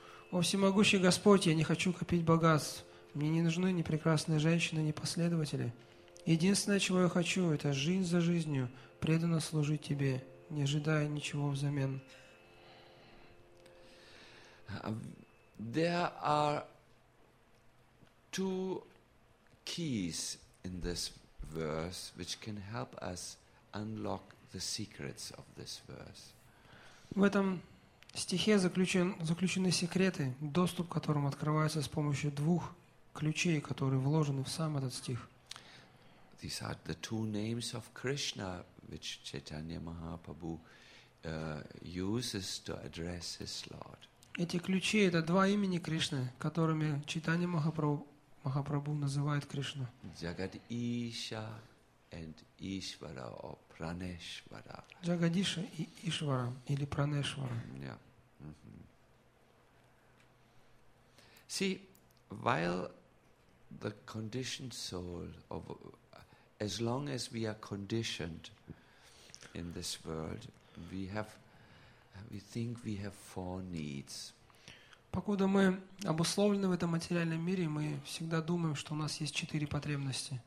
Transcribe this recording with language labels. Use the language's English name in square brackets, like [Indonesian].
[Russian] О всемогущий Господь, я не хочу копить богатств. Мне не нужны ни прекрасные женщины, ни последователи. Единственное, чего я хочу, это жизнь за жизнью, преданно служить Тебе, не ожидая ничего взамен. [English] There are two keys in this verse which can help us unlock the secrets of this verse. [Russian] В этом стихе заключены секреты, доступ к которым открывается с помощью двух ключей, которые вложены в сам этот стих. [English] These are the two names of Krishna, which Chaitanya Mahaprabhu uses to address his Lord. [Russian] Эти ключи — это два имени Кришны, которыми Чайтанья Махапрабху называет Кришну. [English] Jagadisha and Ishvara or Praneshvara. [Russian] Jagadisha и Ishvara или Praneshvara. Yeah. Mm-hmm. [English] See, while the conditioned soul, of as long as we are conditioned in this world, we think we have four needs. [Russian] Покуда мы обусловлены в этом материальном мире, мы всегда думаем, что у нас есть четыре потребности.